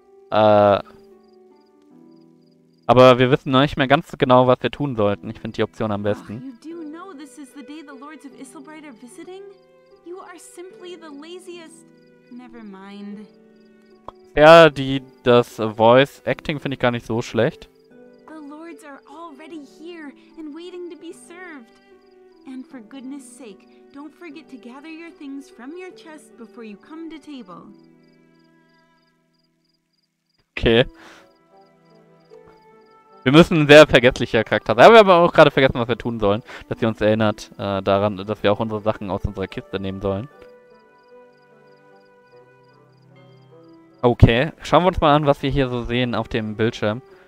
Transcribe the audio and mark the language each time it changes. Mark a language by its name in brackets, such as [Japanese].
[German] Aber wir wissen noch nicht mehr ganz genau, was wir tun sollten. Ich finde die Option am Oh, besten. [English] you do know this is the day the Lords of Isselbright are visiting? You are simply the laziest. Never mind. [German] Ja, das Voice Acting finde ich gar nicht so schlecht. [English] The Lords are already here and waiting to be served. And for goodness sake, don't forget to gather your things from your chest before you come to table. Okay. [German] Wir müssen ein sehr vergesslicher Charakter sein. Aber wir haben auch gerade vergessen, was wir tun sollen. Dass sie uns erinnert, daran, dass wir auch unsere Sachen aus unserer Kiste nehmen sollen. Okay, schauen wir uns mal an, was wir hier so sehen auf dem Bildschirm.